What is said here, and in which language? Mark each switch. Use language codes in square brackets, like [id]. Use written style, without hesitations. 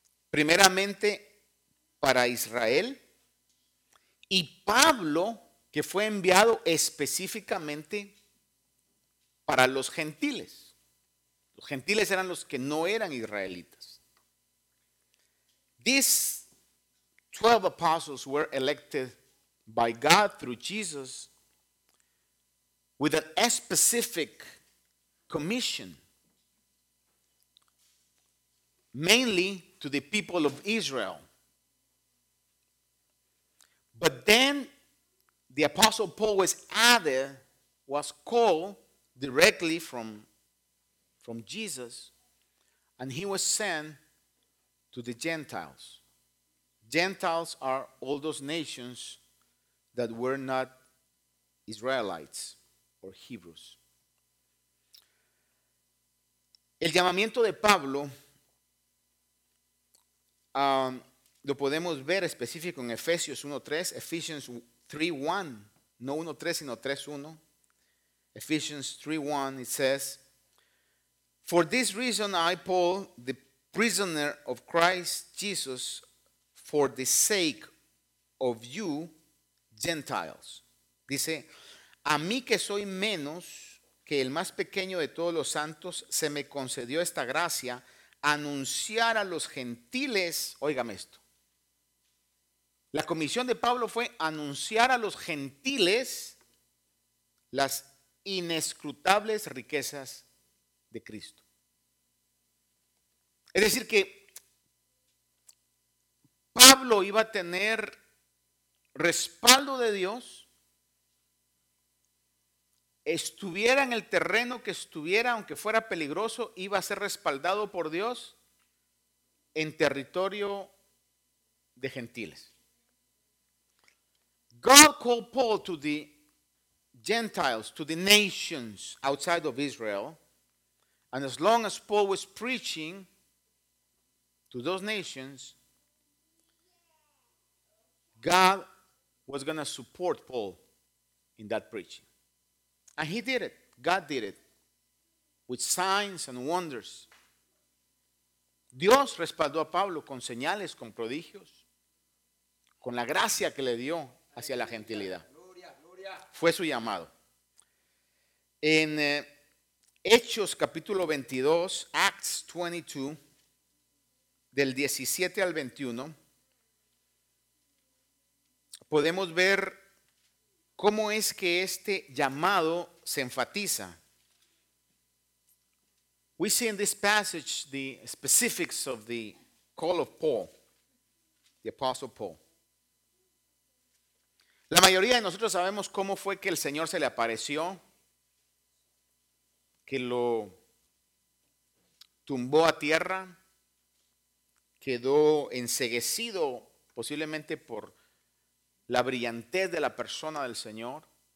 [es] Primeramente para Israel, y Pablo, que fue enviado específicamente para los gentiles. Los gentiles eran los que no eran israelitas. [en] These 12 apostles were elected by God through Jesus with a specific commission, mainly to the people of Israel. But then the apostle Paul was added, was called directly from Jesus, and he was sent to the Gentiles. Gentiles are all those nations that were not Israelites or Hebrews. [es] El llamamiento de Pablo lo podemos ver específico en Efesios 1:3, [en] Ephesians 3:1, [es] no 1:3 sino 3:1. [en] Ephesians 3:1, it says, "For this reason I, Paul, the prisoner of Christ Jesus, for the sake of you Gentiles." [es] Dice, "A mí que soy menos que el más pequeño de todos los santos, se me concedió esta gracia, anunciar a los gentiles." Óigame esto. La comisión de Pablo fue anunciar a los gentiles las inescrutables riquezas de Cristo. Es decir que Pablo iba a tener respaldo de Dios, estuviera en el terreno que estuviera, aunque fuera peligroso, iba a ser respaldado por Dios en territorio de gentiles. [en] God called Paul to the Gentiles, to the nations outside of Israel, and as long as Paul was preaching to those nations, God was going to support Paul in that preaching. And he did it. God did it with signs and wonders. [es] Dios respaldó a Pablo con señales, con prodigios, con la gracia que le dio hacia la gentilidad. Fue su llamado. En Hechos capítulo 22, [en] Acts 22, [es] del 17 al 21, podemos ver cómo es que este llamado se enfatiza. [en] We see in this passage the specifics of the call of Paul, the Apostle Paul. [es] La mayoría de nosotros sabemos cómo fue que el Señor se le apareció, que lo tumbó a tierra, quedó enceguecido posiblemente por la brillantez de la persona del Señor.